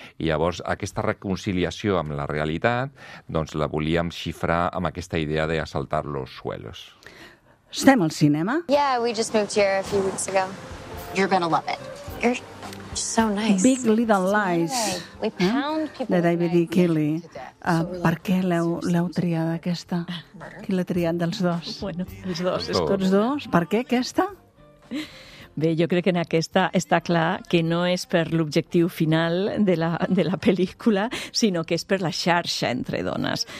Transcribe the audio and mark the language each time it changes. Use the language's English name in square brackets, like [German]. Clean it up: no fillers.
[Catalan] I llavors aquesta reconciliació amb la realitat, doncs, la volíem xifrar amb aquesta idea de assaltar [Spanish] los suelos. [Catalan] Estem al cinema? [English] Yeah, we just moved here a few weeks ago. You're gonna love it. You're so nice. [Catalan] Big Little Lies, de David E. Kelly. Per què l'heu triat aquesta? Qui l'ha triat dels dos? Bueno, els dos. Tots dos? Per què aquesta? Bé, jo crec que en aquesta està clar que no és per l'objectiu final de la pel·lícula, sinó que és per la xarxa entre dones.